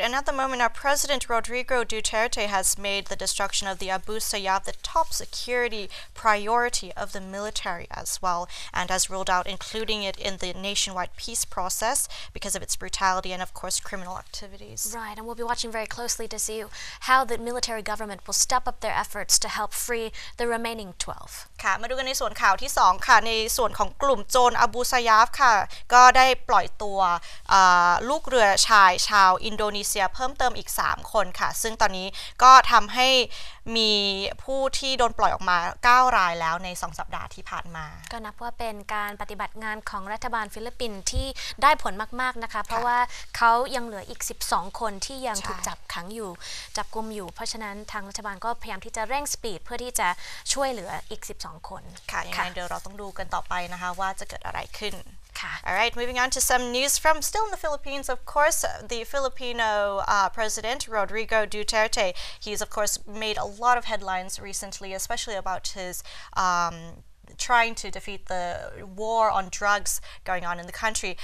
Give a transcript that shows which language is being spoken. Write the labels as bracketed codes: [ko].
[en] And at the moment, our President Rodrigo Duterte has made the destruction of the Abu Sayyaf the top security priority of the military as well, and has ruled out including it in the nationwide peace process because of its brutality and, of course, criminal activities. Right. And we'll be watching very closely to seehow the military government will step up their efforts to help free the remaining 12. [th] ค่ะมาดูกันในส่วนข่าวที่2ค่ะในส่วนของกลุ่มโจรอบูซายาฟค่ะก็ได้ปล่อยตัวลูกเรือชายชาวอินโดนีเซียเพิ่มเติมอีก3คนค่ะซึ่งตอนนี้ก็ทำให้ มีผู้ที่โดนปล่อยออกมา9รายแล้วใน2สัปดาห์ที่ผ่านมา ก็นับว่าเป็นการปฏิบัติงานของรัฐบาลฟิลิปปินส์ที่ได้ผลมากๆนะคะเพราะว่าเขายังเหลืออีก12คนที่ยังถูกจับขังอยู่จับกุมอยู่เพราะฉะนั้นทางรัฐบาลก็พยายามที่จะเร่งสปีดเพื่อที่จะช่วยเหลืออีก12คน ค่ะยังไงเดี๋ยวเราต้องดูกันต่อไปนะคะว่าจะเกิดอะไรขึ้น ค่ะ [en] All right, moving on to some news from still in the Philippines. Of course, the Filipino President Rodrigo Duterte, he's of course made a lot of headlines recently, especially about his trying to defeat the war on drugs going on in the country.